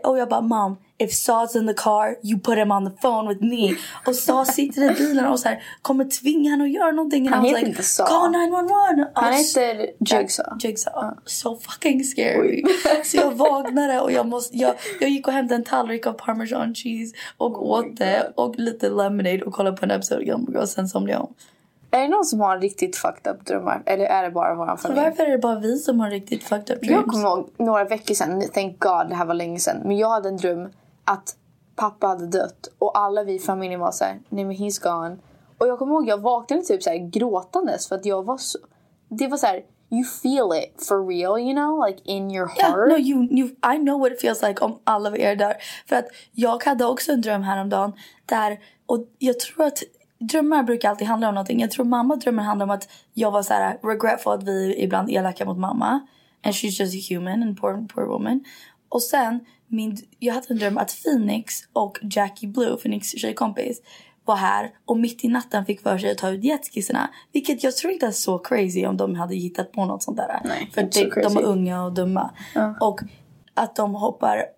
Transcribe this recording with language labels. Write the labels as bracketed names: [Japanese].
[Swedish] Och jag bara, [English] mom, if Saw's in the car, you put him on the phone with me. [Swedish] Och Saw sitter i bilen och så här, kommer tvinga han att göra någonting. Han heter inte Saw. [English] Call 911. [Swedish] Han heter Jigsaw. [English] So fucking scary. Oj. [Swedish] Så jag vaknade och jag gick och hämtade en tallrik av [English] parmesan cheese. [Swedish] Och åt det. Och lite lemonade och kollade på en episode igen. Och sen somnade jag om. Är det någon som har riktigt [English] fucked up [Swedish] drömmar? Eller är det bara våran familj? Varför är det bara vi som har riktigt [English] fucked up dreams? [Swedish] Jag kommer ihåg några veckor sedan. [English] Thank god, [Swedish] det här var länge sedan. Men jag hade en dröm att pappa hade dött. Och alla vi i familjen var såhär, nej men [English] he's gone. [Swedish] Och jag kommer ihåg, jag vaknade typ såhär gråtandes. För att jag var så... Det var så här, [English] you feel it for real, you know? Like in your heart. Yeah, no, you, I know what it feels like [Swedish] om alla er dör. För att jag hade också en dröm häromdagen. Där, och jag tror att... Drömmar brukar alltid handla om någonting. Jag tror mamma drömmen handlar om att jag var så här regretful att vi ibland elaka mot mamma. [English] And she's just a human and poor woman. [Swedish] Och sen, jag hade en dröm att Phoenix och Jackie Blue, Phoenix tjejkompis, var här. Och mitt i natten fick för sig att ta ut jetskisserna. Vilket jag tror inte är så crazy om de hade hittat på något sånt där. Nej, för inte så crazy. De är unga och dumma. Och att de hoppar...